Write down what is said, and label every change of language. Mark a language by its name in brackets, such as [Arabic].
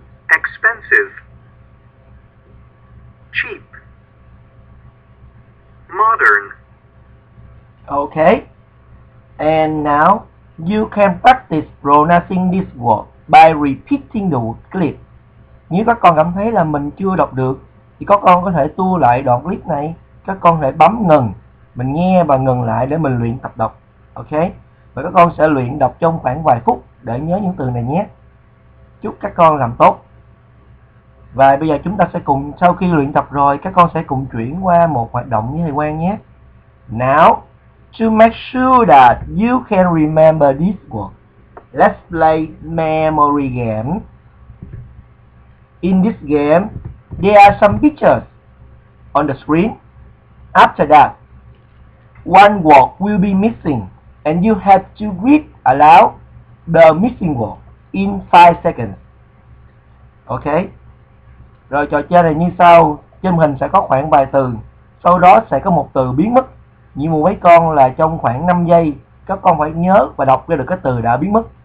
[English] Expensive. Cheap. Modern. Okay. And now you can practice pronouncing this word by repeating the word clip. [Vietnamese] Nếu các con cảm thấy là mình chưa đọc được thì các con có thể tua lại đoạn clip này. Các con hãy bấm ngừng, mình nghe và ngừng lại để mình luyện tập đọc. Ok? Và các con sẽ luyện đọc trong khoảng vài phút để nhớ những từ này nhé. Chúc các con làm tốt. Và bây giờ chúng ta sẽ cùng, sau khi luyện tập rồi, các con sẽ cùng chuyển qua một hoạt động với thầy Quang nhé. [English] Now, to make sure that you can remember this word, let's play memory game. In this game, there are some pictures on the screen. After that, one word will be missing and you have to read aloud the missing word in 5 seconds. Okay? [Vietnamese] Rồi trò chơi này như sau, trên hình sẽ có khoảng vài từ, sau đó sẽ có một từ biến mất. Nhiệm vụ mấy con là trong khoảng 5 giây, các con phải nhớ và đọc ra được cái từ đã biến mất.